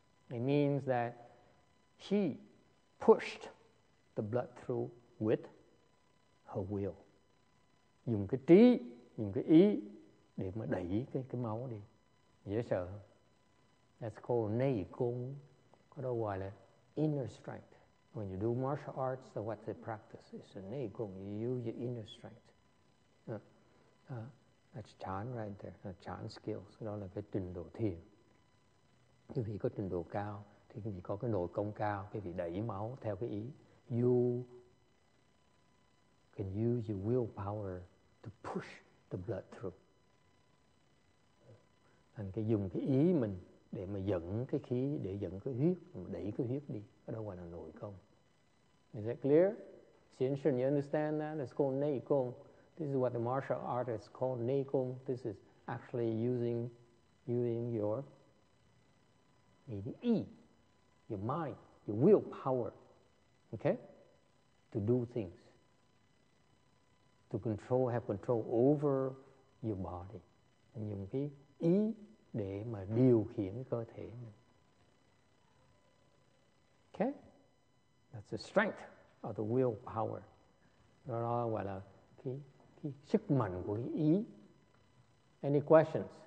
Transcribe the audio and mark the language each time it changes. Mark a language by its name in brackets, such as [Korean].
[English] It means that she pushed the blood through with her will. [Vietnamese] Dùng cái trí, dùng cái ý để mà đẩy cái máu đi. Dễ sợ không? [English] That's called nei gong, [Vietnamese] có đó gọi là [English] inner strength. When you do martial arts, what's the practice? It's a nei gong, you use your inner strength. That's chan right there, chan skills. [Vietnamese] Đó là cái trình độ thiền. Quý vị có trình độ cao, thì quý vị có cái nội công cao, quý vị đẩy máu theo cái ý. [English] You can use your willpower to push the blood through. [Vietnamese] Thành cái dùng cái ý mình để mà dẫn cái khí, để dẫn cái huyết, mà đẩy cái huyết đi. Ở đâu gọi là nội công. [English] Is that clear? Xin sơn, you understand that? It's called nei gong. This is what the martial artist called nei gong. This is actually using your ý, your mind, your willpower, okay, to do things, to control, have control over your body. [Vietnamese] Dùng cái ý để mà điều khiển cơ thể. [English] Okay, that's the strength of the willpower. [Vietnamese] Đó là gọi là cái sức mạnh của cái ý. [English] Any questions?